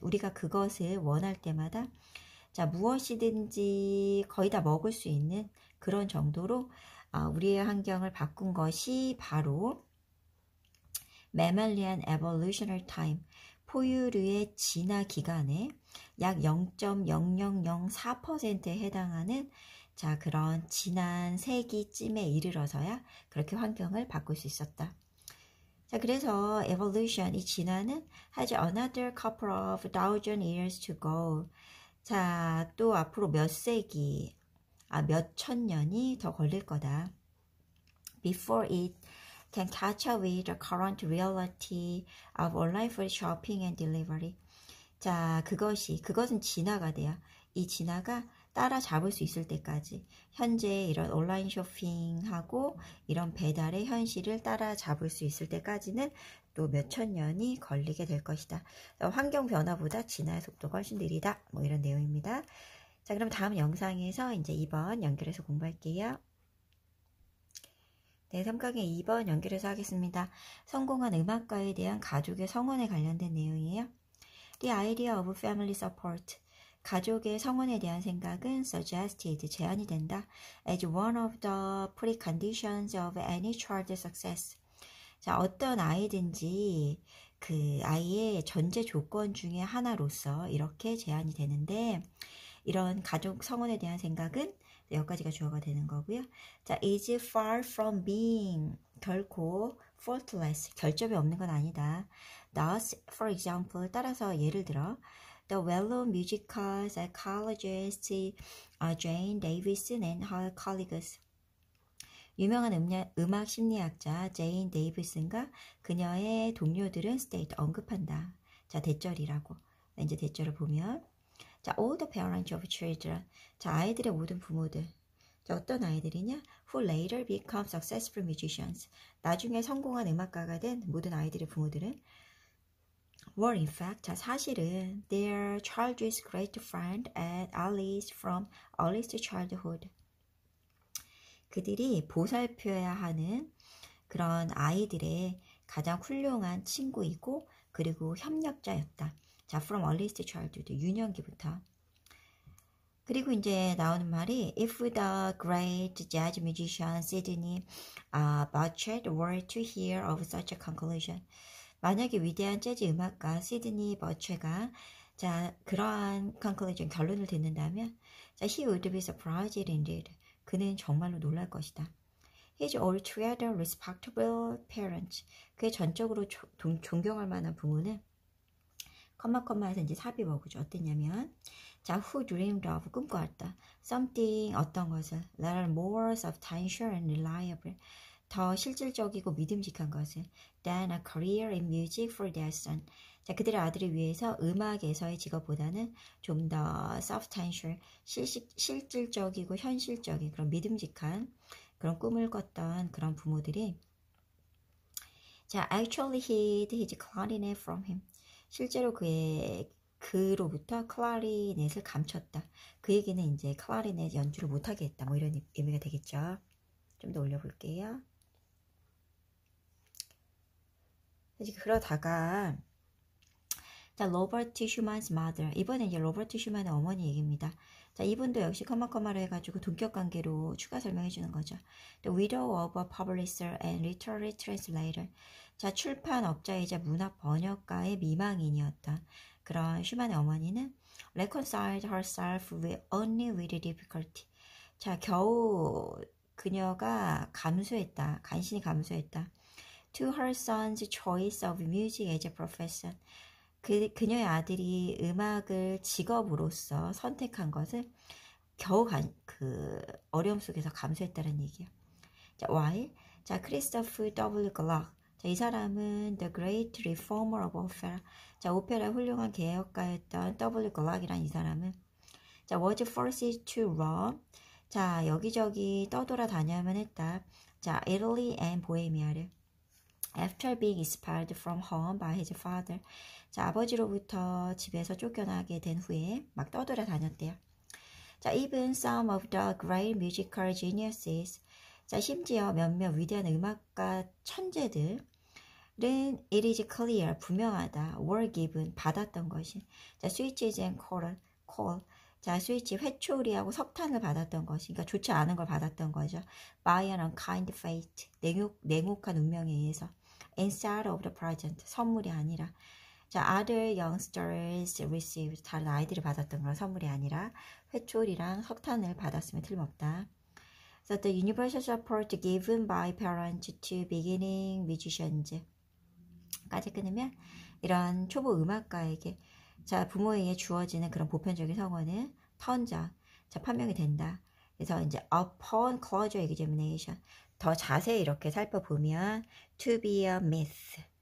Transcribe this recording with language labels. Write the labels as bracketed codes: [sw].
[ko] 우리가 그것을 원할 때마다 자, 무엇이든지 거의 다 먹을 수 있는 그런 정도로 우리의 환경을 바꾼 것이 바로 Mammalian Evolutionary Time, 포유류의 진화 기간에 약 0.0004%에 해당하는 자, 그런 지난 세기쯤에 이르러서야 그렇게 환경을 바꿀 수 있었다. 자, 그래서 [en] Evolution, [ko] 이 진화는 [en] has another couple of thousand years to go. [ko] 자, 또 앞으로 몇천 년이 더 걸릴 거다. [en] Before it can catch up with the current reality of online food shopping and delivery. [ko] 자, 그것은 진화가 돼요. 이 진화가 따라잡을 수 있을 때까지 현재 이런 온라인 쇼핑하고 이런 배달의 현실을 따라잡을 수 있을 때까지는 또 몇천 년이 걸리게 될 것이다. 환경 변화보다 진화의 속도가 훨씬 느리다. 뭐 이런 내용입니다. 자, 그럼 다음 영상에서 이제 2번 연결해서 공부할게요. 네, 3강의 2번 연결해서 하겠습니다. 성공한 음악가에 대한 가족의 성원에 관련된 내용이에요. [en] The idea of family support. [ko] 가족의 성원에 대한 생각은 [en] suggested, [ko] 제안이 된다. [en] As one of the preconditions of any child's success. [ko] 자, 어떤 아이든지 그 아이의 전제 조건 중에 하나로서 이렇게 제안이 되는데, 이런 가족 성원에 대한 생각은 여기까지가 주어가 되는 거고요. 자, [en] is far from being [ko] 결코 [en] faultless [ko] 결점이 없는 건 아니다. [en] Thus, for example, [ko] 따라서 예를 들어, [en] The well-known musical psychologist Jane Davison and her colleagues. [ko] 유명한 음악 심리학자 제인 데이비슨과 그녀의 동료들은 스테이트 언급한다. 자, 대절이라고. 이제 대절을 보면. 자, [en] all the parents of children. [ko] 자, 아이들의 모든 부모들. 자, 어떤 아이들이냐? [en] Who later become successful musicians. [ko] 나중에 성공한 음악가가 된 모든 아이들의 부모들은. [en] Were in fact, [ko] 자, 사실은 [en] their child's great friend and allies from earliest childhood. [ko] 그들이 보살펴야 하는 그런 아이들의 가장 훌륭한 친구이고, 그리고 협력자였다. [en] 자, from earliest childhood, [ko] 유년기부터. 그리고 이제 나오는 말이, [en] If the great jazz musician Sidney Bechet were to hear of such a conclusion. [ko] 만약에 위대한 재즈 음악가 시드니 버채가 자 그러한 conclusion 결론을 듣는다면 자, [en] he would be surprised indeed. [ko] 그는 정말로 놀랄 것이다. [en] His altogether respectable parents. [ko] 그의 전적으로 존경할 만한 부모는 콤마콤마에서 이제 삽입어 보죠. 어땠냐면 자, [en] who dreamed of [ko] 꿈꿔왔다. [en] Something [ko] 어떤 것을 [en] that are more substantial and reliable. [ko] 더 실질적이고 믿음직한 것은 [en] than a career in music for their son. [ko] 자, 그들의 아들을 위해서 음악에서의 직업보다는 좀더 substantial, 실질적이고 현실적인 그런 믿음직한 그런 꿈을 꿨던 그런 부모들이 자, [en] actually hid his clarinet from him. [ko] 실제로 그로부터 클라리넷을 감췄다. 그 얘기는 이제 클라리넷 연주를 못하게 했다. 뭐 이런 의미가 되겠죠. 좀더 올려볼게요. 그러다가 자 로버트 슈만's mother 이번에 이제 로버트 슈만의 어머니 얘기입니다. 자 이분도 역시 커마커마를 해가지고 동격 관계로 추가 설명해 주는 거죠. [en] The widow of a publisher and literary translator. [ko] 자 출판업자이자 문학 번역가의 미망인이었다. 그런 슈만의 어머니는 [en] reconciled herself with only with difficulty. [ko] 자 겨우 그녀가 감수했다. 간신히 감수했다. [en] To her son's choice of music as a profession. [ko] 그녀의 아들이 음악을 직업으로서 선택한 것을 겨우 어려움 속에서 감수했다는 얘기야. [en] 자, why? 자, Christopher W. Gluck. [ko] 자, 이 사람은 [en] The Great Reformer of Opera. [ko] 자, 오페라의 훌륭한 개혁가였던 W. Gluck이란 이 사람은. [en] 자, was forced to roam. [ko] 자, 여기저기 떠돌아다녀야만 했다. [en] 자, Italy and Bohemia를. After being expelled from home by his father. [ko] 자, 아버지로부터 집에서 쫓겨나게 된 후에 막 떠돌아다녔대요. [en] 자, even some of the great musical geniuses. [ko] 자, 심지어 몇몇 위대한 음악가 천재들은 [en] it is clear, [ko] 분명하다, [en] were given, [ko] 받았던 것이. [en] 자, switches and coal. [ko] 자, 스위치 회초리하고 석탄을 받았던 것이. 그러니까 좋지 않은 걸 받았던 거죠. [en] By an unkind fate. [ko] 냉혹한 운명에 의해서. [en] Instead of the present, [ko] 선물이 아니라. 자, [en] other youngsters received, [ko] 다른 아이들이 받았던 건 선물이 아니라, 회초리랑 석탄을 받았으면 틀림없다. [en] So the universal support given by parents to beginning musicians. [ko] 까지 끊으면, 이런 초보 음악가에게, 자, 부모에게 주어지는 그런 보편적인 성원은, 턴저, 자, 판명이 된다. 그래서 이제, [en] upon closure examination. [ko] 더 자세히 이렇게 살펴보면 [en] to be a myth.